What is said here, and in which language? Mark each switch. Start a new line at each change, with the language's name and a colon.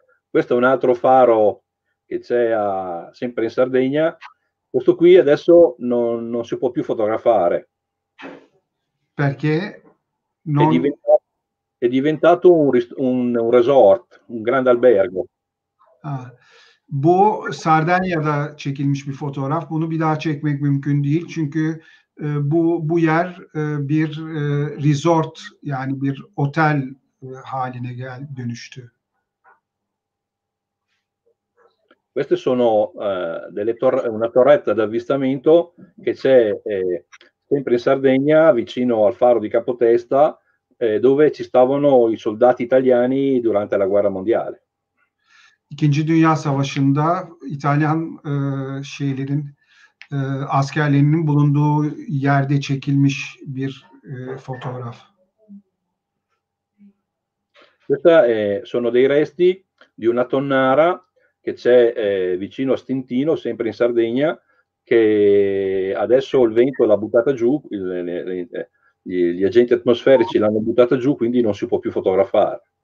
Italian: Questo è un altro faro che c'è sempre in Sardegna. Questo qui adesso non si può più fotografare. Perché? Non... È diventato un resort, un grande albergo.
Turkish: Bu Sardegna'da çekilmiş bir fotoğraf. Bunu bir daha çekmek mümkün değil. Çünkü bu yer bir resort, yani bir otel haline dönüştü.
Italian: Queste sono una torretta d'avvistamento che c'è sempre in Sardegna, vicino al faro di Capotesta, dove ci stavano i soldati italiani durante la guerra mondiale.
Turkish: İkinci Dünya Savaşı'nda İtalyan şeylerin askerlerinin bulunduğu yerde çekilmiş bir fotoğraf.
Italian: Questa sono dei resti di una tonnara che c'è vicino a Stintino, sempre in Sardegna, che adesso il vento l'ha buttata giù, gli agenti atmosferici l'hanno buttata giù, quindi non si può più fotografare.